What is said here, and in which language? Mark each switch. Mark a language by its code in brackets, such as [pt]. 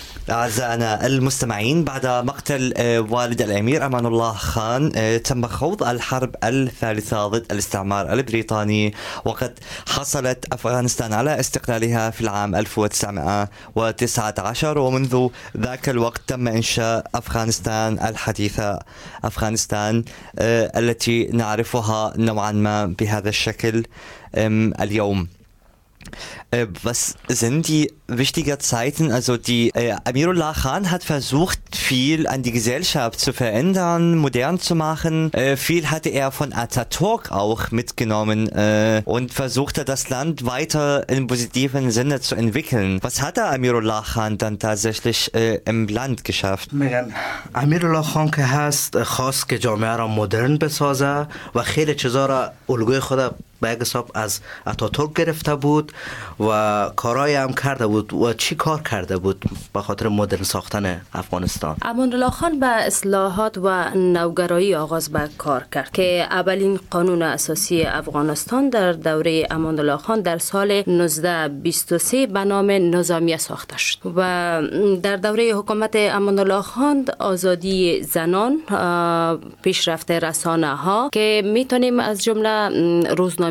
[ar] أعزائنا المستمعين، بعد مقتل والد الأمير أمان الله خان تم خوض الحرب الثالثة ضد الاستعمار البريطاني، وقد حصلت أفغانستان على استقلالها في العام 1919، ومنذ ذاك الوقت تم إنشاء أفغانستان الحديثة، أفغانستان التي نعرفها نوعا ما بهذا الشكل اليوم. [de] Was sind die wichtigen Zeiten? Also die Amirullah Khan hat versucht, viel an die Gesellschaft zu verändern, modern zu machen. Viel hatte er von Atatürk auch mitgenommen und versuchte, das Land weiter in positiven Sinne zu entwickeln. Was hat der Amirullah Khan dann tatsächlich im Land geschafft? Amirullah Khan hat [fa] خواست که جامعه را مدرن بسازه و خیلی چیزا را الگوی خود به یک حساب از اتاتورک گرفته بود و کارهای هم کرده بود و چی کار کرده بود به خاطر مدرن ساختن افغانستان؟ امان الله خان به اصلاحات و نوگرایی آغاز به کار کرد که اولین قانون اساسی افغانستان در دوره امان الله خان در سال 1923 به نام نظامیه ساخته شد و در دوره حکومت امان الله خان آزادی زنان، پیشرفت رسانه ها که میتونیم از جمله روزنامه